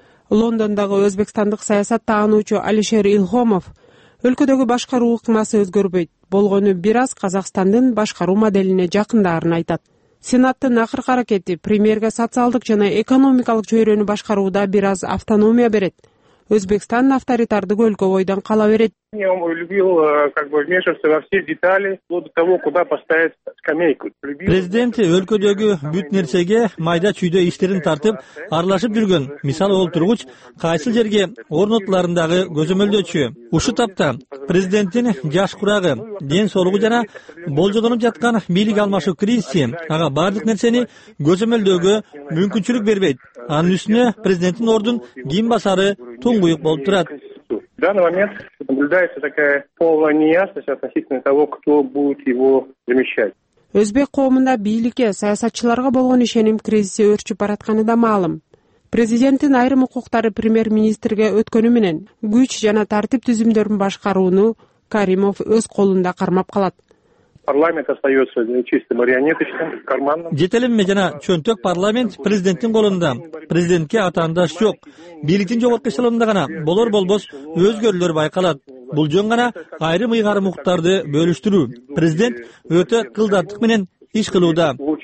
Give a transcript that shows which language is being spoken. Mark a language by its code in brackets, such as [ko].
[ky] Лондондогу өзбекстандык саясат таануучу Алишер Илхомов өлкөдөгү башкаруу ыкмасы өзгөрбөйт, болгону бир аз Казакстандын башкаруу моделине жакындаарын айтат. Сенаттын акыркы аракети премьерге социалдык жана экономикалык чөйрөнү башкарууда бир аз автономия берет. Өзбекстан авторитардык өлкө бойдон кала берет. [ru] Я любил вмешиваться во все детали, вплоть до того, куда поставить скамейку. [ky] Президент өлкөдөгү бүт нерсеге майда чүйдө иштерин тартып аралашып жүргөн. Мисалы олтургуч кайсы жерге орнотуларын дагы көзөмөлдөчү. Ушу тапта президенттин жаш курагы, ден соолугу жана болжолонуп жаткан бийлик алмашуу кризиси ага бардык нерсени көзөмөлдөөгө мүмкүнчүлүк бербейт. Анын үстүнө президенттин ордун ким басары туңгуюк болуп турат. [ru] В данный момент наблюдается такая полная неясность относительно того, кто будет его замещать. [ky] Өзбек коомунда бийликке, саясатчыларга болгон ишеним кризиси өрчүп баратканы да маалым. Президенттин айрым укуктары премьер-министрге өткөнү менен күч жана тартип түзүмдөрүн башкарууну Каримов өз колунда кармап калат. [ru] Парламент остается чисто марионеточным, карманным. [ky] Жете эле эмне жана чөнтөк парламент президенттин колунда. Президентке атаандаш жок. Бийликтин жогорку эшелонунда гана болор болбос өзгөрүүлөр байкалат. Бул жөн гана айрым ыйгарым укуктарды бөлүштүрүү. Президент өтө кылдаттык менен иш кылууда.